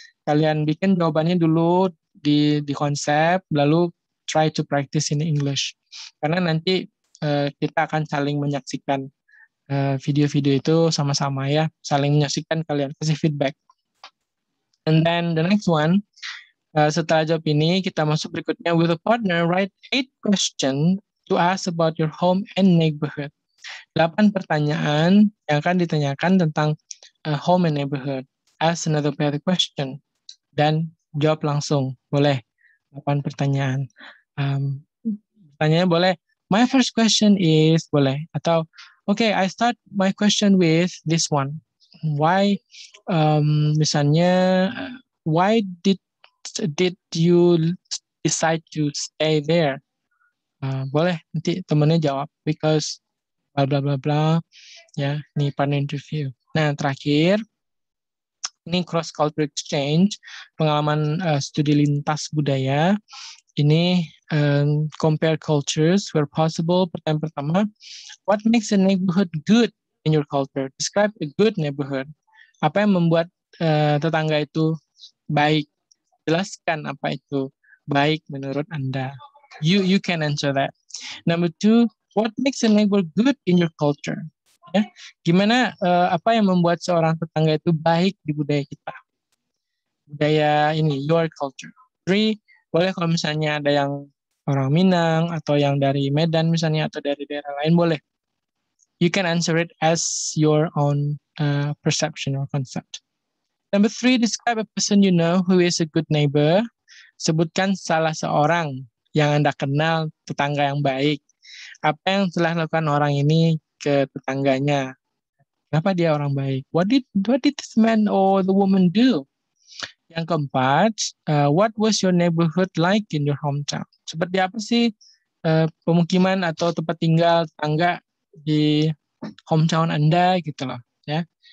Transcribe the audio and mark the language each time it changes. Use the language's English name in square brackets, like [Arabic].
[Indonesian] Kalian bikin jawabannya dulu di konsep, lalu [English] try to practice in English. [Indonesian] Karena nanti kita akan saling menyaksikan video-video itu sama-sama ya. Saling menyaksikan kalian, kasih feedback. [English] And then the next one. [Indonesian] Setelah jawab ini, kita masuk berikutnya. [English] With a partner, write 8 questions to ask about your home and neighborhood. [Indonesian] 8 pertanyaan yang akan ditanyakan tentang home and neighborhood. Ask another pair of question dan jawab langsung. Boleh. 8 pertanyaan. Pertanyaannya boleh. [English] My first question is [Indonesian] boleh atau [English] okay, I start my question with this one. Why misalnya why did you decide to stay there? [Indonesian] Boleh nanti temannya jawab [English] because blah blah blah, [Indonesian] ya. Ini partner interview. Nah, terakhir, ini cross cultural exchange, pengalaman studi lintas budaya. [English] Ini compare cultures where possible. Pertanyaan pertama, what makes a neighborhood good in your culture? Describe a good neighborhood. [Indonesian] Apa yang membuat tetangga itu baik? Jelaskan apa itu baik menurut Anda. [English] You can answer that. Number two. What makes a neighbor good in your culture? [Indonesian] Ya, gimana apa yang membuat seorang tetangga itu baik di budaya kita? Budaya ini, [English] your culture. [Indonesian] Three, boleh kalau misalnya ada yang orang Minang atau yang dari Medan misalnya atau dari daerah lain, boleh. [English] You can answer it as your own perception or concept. Number three, describe a person you know who is a good neighbor. [Indonesian] Sebutkan salah seorang yang Anda kenal tetangga yang baik. Apa yang telah lakukan orang ini ke tetangganya? Kenapa dia orang baik? [English] What did this man or the woman do? [Indonesian] Yang keempat, [English] what was your neighborhood like in your hometown? [Indonesian] Seperti apa sih pemukiman atau tempat tinggal tetangga di hometown Anda gitu loh, ya.